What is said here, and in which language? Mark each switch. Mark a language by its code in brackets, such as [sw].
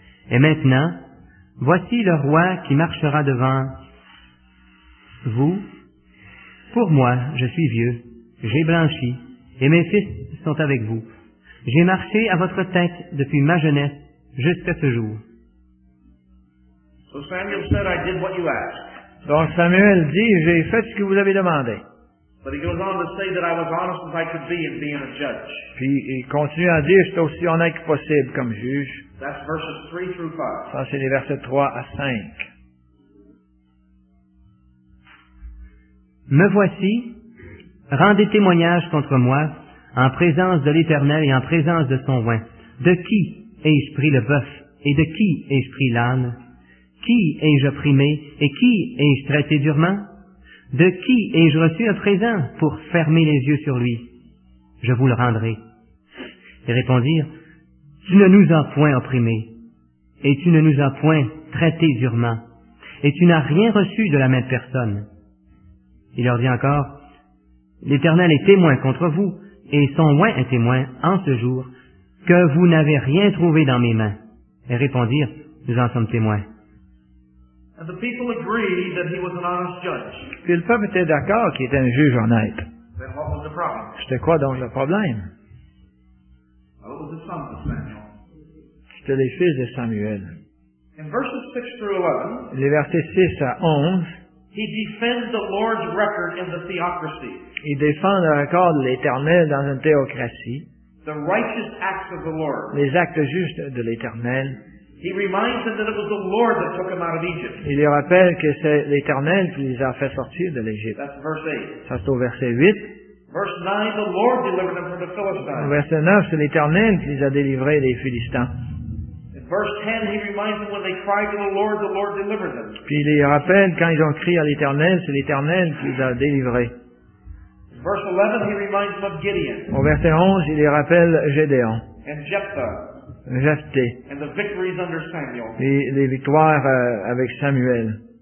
[fr] Et maintenant, voici le roi qui marchera devant vous. Pour moi, je suis vieux, j'ai blanchi, et mes fils sont avec vous. J'ai marché à votre tête depuis ma jeunesse jusqu'à ce jour. » [en] So Samuel said, I did what you asked. [fr] Donc Samuel dit, j'ai fait ce que vous avez demandé. [en] But he goes on to say that I was honest as I could be in being a judge. [fr] Puis il continue à dire, j'étais aussi honnête que possible comme juge. [en] That's verses 3 through 5. [fr] Ça, c'est les versets 3 à 5. Me voici, rendez témoignage contre moi, en présence de l'Éternel et en présence de son oint. De qui ai-je pris le bœuf et de qui ai-je pris l'âne? Qui ai-je opprimé et qui ai-je traité durement? De qui ai-je reçu un présent pour fermer les yeux sur lui? Je vous le rendrai. Ils répondirent, tu ne nous as point opprimés, et tu ne nous as point traités durement, et tu n'as rien reçu de la même personne. Il leur dit encore, l'Éternel est témoin contre vous, et son oint est témoin en ce jour, que vous n'avez rien trouvé dans mes mains. Ils répondirent, nous en sommes témoins. [en] And the people agreed that he was an honest judge. [fr] Puis le peuple était d'accord qu'il était un juge honnête. [en] Then what was the problem? [fr] C'était quoi donc le problème? [en] Well, it was the sons of Samuel. [fr] C'était les fils de Samuel. [en] In verses 6 through 11, [fr] les versets 6 à 11, [en] he defends the Lord's record in the theocracy. [fr] Il défend le record de l'Éternel dans une théocratie. [en] The righteous acts of the Lord. [fr] Les actes justes de l'Éternel. [en] He reminds them that it was the Lord that took them out of Egypt. [fr] Il les rappelle que c'est l'Éternel qui les a fait sortir de l'Égypte. [en] That's verse 8. [fr] Ça, c'est au verset 8. [en] Verse 9, the Lord delivered them from the Philistines. [fr] Au verset 9, c'est l'Éternel qui les a délivrés des Philistins. [en] In verse 10, he reminds them when they cried to the Lord delivered them. [fr] Puis il les rappelle quand ils ont crié à l'Éternel, c'est l'Éternel qui les a délivrés. [en] In verse 11, he reminds them of Gideon. [fr] Au verset 11, il les rappelle Gédéon. [en] And Jephthah. [fr] Jephthé. [en] And the victories under Samuel. [fr] Et les victoires avec Samuel.